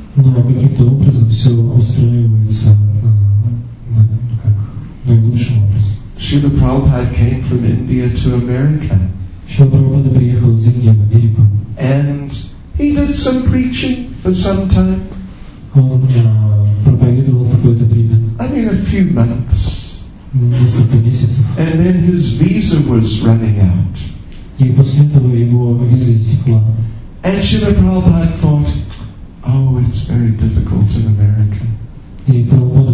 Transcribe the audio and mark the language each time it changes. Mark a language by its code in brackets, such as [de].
[ru] Но каким-то образом все устраивается как наилучшим образом. [en] Шрила Прабхупада came from India to America. [ru] Шрила Прабхупада приехал из Индии в Америку. [en] And he did some preaching for some time. [ru] Он проповедовал какое-то время. [en] I mean a few months. [ru] Несколько месяцев. [en] And then his visa was running out. [ru] И после этого его виза истекла. [en] And Srila Prabhupada thought, oh, it's very difficult in America.